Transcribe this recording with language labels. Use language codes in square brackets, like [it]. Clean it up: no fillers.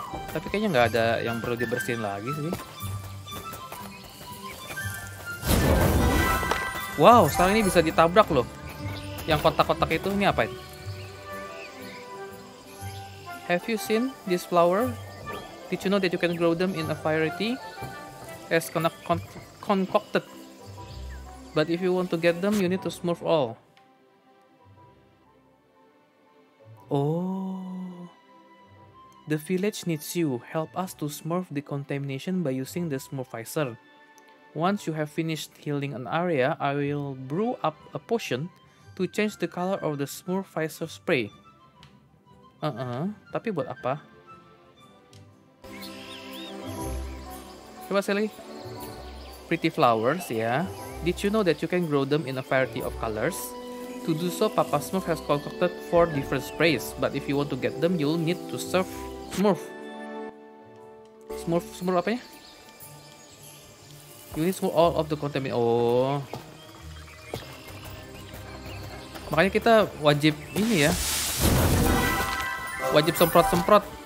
[id] Tapi kayaknya nggak ada yang perlu dibersihin lagi sih. Wow, sekarang ini bisa ditabrak loh. Yang kotak-kotak itu, ini apa itu? [en] Have you seen this flower? Did you know that you can grow them in a variety? It's concocted. But if you want to get them, you need to smurf all. Oh. The village needs you. Help us to smurf the contamination by using the smurfizer. Once you have finished healing an area, I will brew up a potion to change the color of the smurfizer spray. [id] Tapi buat apa? Coba saya lagi. [en] Pretty flowers, yeah. Did you know that you can grow them in a variety of colors? To do so, Papa Smurf has concocted 4 different sprays, but if you want to get them, you'll need to surf smurf. [id] Smurf apa ya? [en] You need to smurf all of the contaminant. Oh. [id] Makanya kita wajib ini ya. Wajib semprot-semprot.